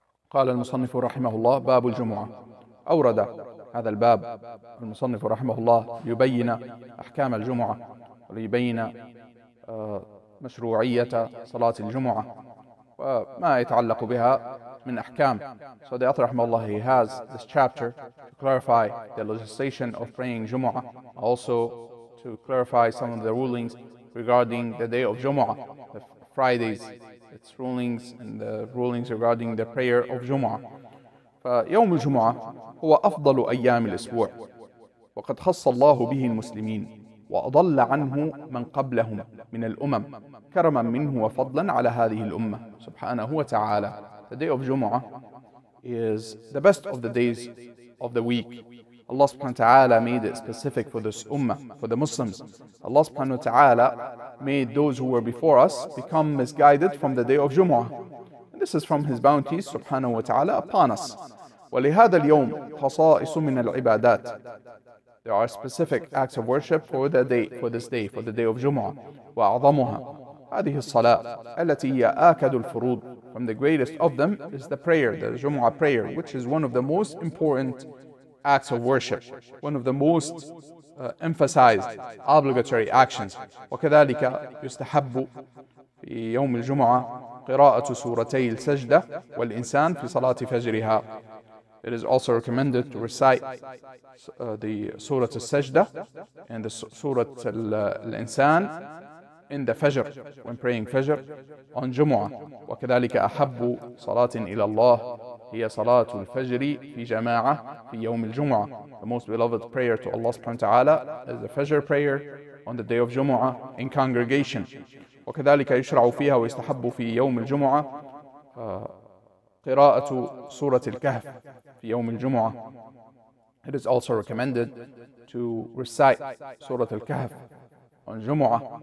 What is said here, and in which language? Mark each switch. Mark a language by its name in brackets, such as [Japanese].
[Arabic] قال المصنف رحمه الله باب الجمعة. أورد هذا الباب المصنف رحمه الله ليبين أحكام الجمعة وليبين مشروعية صلاة الجمعة وما يتعلق بها من أحكام. [English] So the author رحمه الله, he has this chapter to clarify the legislation of praying Jumu'ah, also to clarify some of the rulings regarding the day of Jumu'ah, the Fridays, its rulings and the rulings regarding the prayer of Jumu'ah. [Arabic] فيوم الجمعة هو أفضل أيام الأسبوع, وقد خص الله به المسلمين وأضل عنه من قبلهم من الأمم كرما منه وفضلا على هذه الأمة سبحانه وتعالى. [English] The day of Jumu'ah is the best of the days of the week. Allah subhanahu wa ta'ala made it specific for this ummah, for the Muslims. Allah subhanahu wa ta'ala made those who were before us become misguided from the day of Jumu'ah. And this is from His bounties subhanahu wa ta'ala upon us. [Arabic] ولهذا اليوم خصائص من العبادات. [English] There are specific acts of worship for the day, for this day, for the day of Jumu'ah. [Arabic] وأعظمها هذه الصلاة التي هي آكد الفروض. [English] From the greatest of them is the prayer, the Jumu'ah prayer, which is one of the most important acts of worship, one of the most emphasized obligatory actions. [Arabic] وكذلك يستحب في يوم الجمعة قراءة سورتي السجدة والإنسان في صلاة فجرها. [English] It is also recommended to recite the Surah Al-Sajdah and the Surah Al-Insan in the Fajr, when praying Fajr on Jumu'ah. [Arabic] وكذلك أحب صلاة إلى الله هي صلاة الفجر في جماعة في يوم الجمعة. [English] The most beloved prayer to Allah subhanahu wa ta'ala is the Fajr prayer on the day of Jumu'ah in congregation. [Arabic] وكذلك يشرع فيها ويستحب في يوم الجمعة قراءة سورة الكهف في يوم الجمعة. [English] It is also recommended to recite سورة الكهف on Jumu'ah.